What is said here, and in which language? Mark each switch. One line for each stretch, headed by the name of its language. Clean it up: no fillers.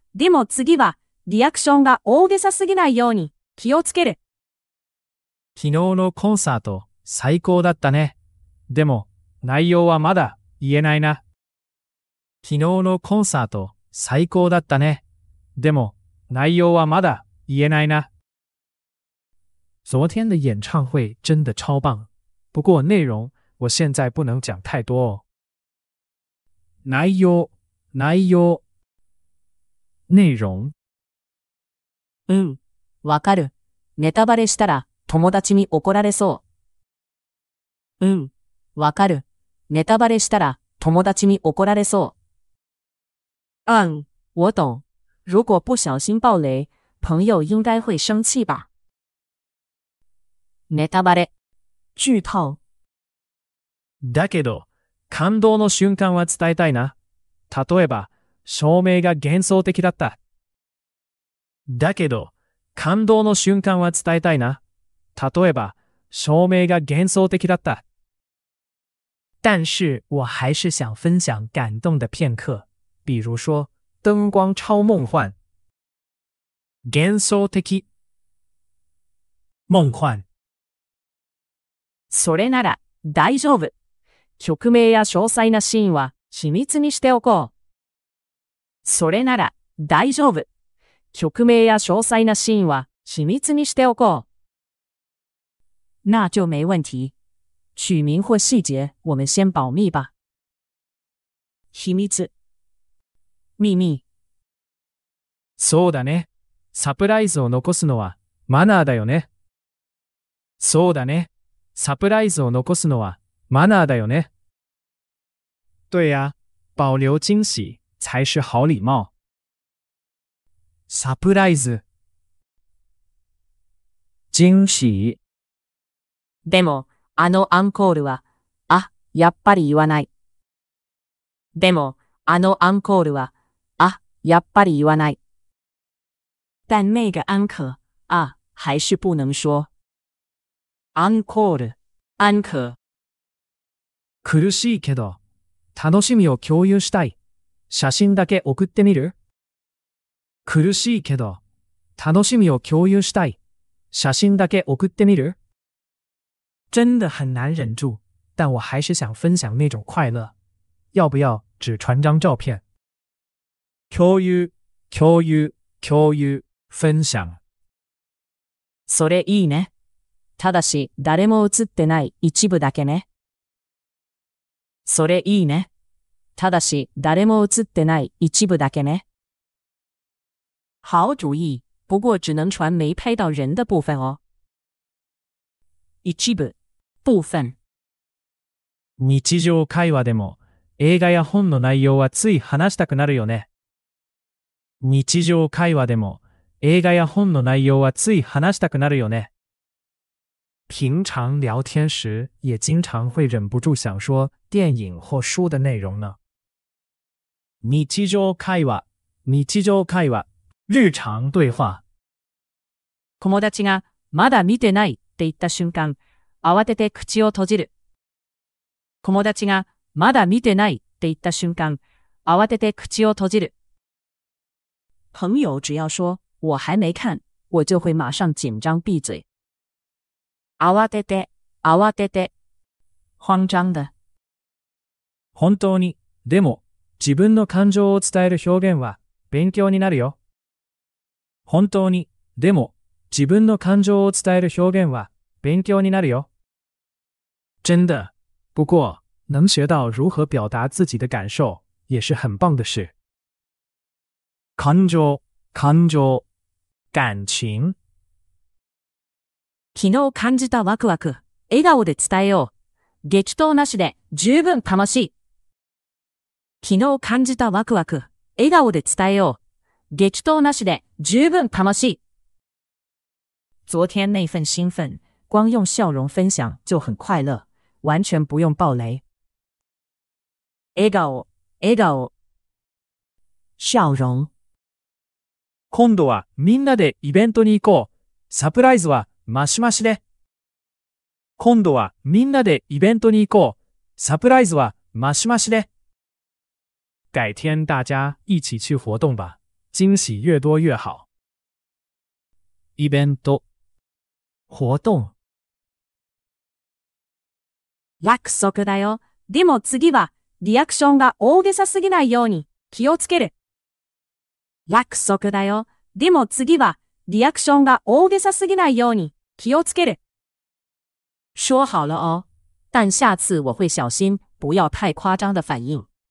Japanese: でも次はリアクションが大げさすぎないように気をつける。昨日のコンサート最高だったね。でも内容はまだ言えないな。昨日のコンサート最高だったね。でも内容はまだ言えないな。
Chinese: 昨天的演唱会真的超棒。不过内容我现在不能讲太多哦。
Japanese: 内容、内容。内容。うん、わかる。ネタバレしたら友達に怒られそう。うん、わかる。ネタバレしたら友達に怒られそう。
Chinese: 嗯，我懂。如果不小心爆雷，朋友应该会生气吧？
Japanese: ネタバレ、
Chinese: 剧透。
Japanese: だけど、感動の瞬間は伝えたいな。例えば、照明が幻想的だった。だけど、感動の瞬間は伝えたいな。例えば、照明が幻想的だった。
Chinese: 但是我还是想分享感动的片刻。比如说，灯光超梦幻，
Japanese: 幻想的，
Chinese: 梦幻。
Japanese: それなら大丈夫。曲名や詳細なシーンは緻密にしておこう。それなら大丈夫。曲名や詳細なシーンは緻密にしておこう。
Chinese: 那就没问题。曲名或细节，我们先保密吧。
Japanese: 秘密。秘密。そうだね。サプライズを残すのはマナーだよね。そうだね。サプライズを残すのはマナーだよね。
Chinese: 对呀、保留惊喜才是好礼貌。
Japanese: サプライズ。
Chinese: 惊喜。
Japanese: でも、あのアンコールは、あ、やっぱり言わない。でも、あのアンコールは、やっぱり言わない。
Chinese: 但那个安可、啊、还是不能说。
Japanese: アンコール、
Chinese: 安可。
Japanese: 苦しいけど、楽しみを共有したい。写真だけ送ってみる？苦しいけど、楽しみを共有したい。写真だけ送ってみる？
Chinese: 真的很难忍住、但我还是想分享那种快乐。要不要、只传张照片。
Japanese: 共有、共有、共有、
Chinese: 分享。
Japanese: それいいね。ただし、誰も写ってない一部だけね。それいいね。ただし、誰も写ってない一部だけね。
Chinese: 好主意。不过只能传没拍到人的部分哦。
Japanese: 一部、
Chinese: 部分。
Japanese: 日常会話でも、映画や本の内容はつい話したくなるよね。日常会話でも映画や本の内容はつい話したくなるよね。
Chinese: 平常聊天时也经常会忍不住想说电影或书的内容呢。
Japanese: 日常会話、日常会話、
Chinese: 日常对话。
Japanese: 友達がまだ見てないって言った瞬間、慌てて口を閉じる。友達がまだ見てないって言った瞬間、慌てて口を閉じる。
Chinese: 朋友只要说我还没看，我就会马上紧张闭嘴。
Japanese: 慌てて、慌てて、
Chinese: 慌张的。
Japanese: 本当に、でも、自分の感情を伝える表現は勉強になるよ。本当に、でも、自分の感情を伝える表現は勉強になるよ。
Chinese: 真的、不过、能学到如何表达自己的感受、也是很棒的事。
Japanese: 感情、感情、感情。昨日感じたワクワク、笑顔で伝えよう。激闘なしで十分楽しい。昨日感じたワクワク、笑顔で伝えよう。激闘なしで十分楽しい。
Chinese: 昨天那份兴奋、光用笑容分享就很快乐、完全不用爆雷。
Japanese: 笑顔、笑顔、
Chinese: 笑容。
Japanese: 今度はみんなでイベントに行こう。サプライズはマシマシで。今度はみんなでイベントに行こう。サプライズはマシマシで。
Chinese: 改天大家一起去活動吧。惊喜越多越好。
Japanese: イベント。
Chinese: 活動。
Japanese: 約束だよ。でも次はリアクションが大げさすぎないように気をつける。約束だよ。でも次はリアクションが大げさすぎないように気をつける。
Chinese: 说好了哦。但下次我会小心不要太夸张的反应。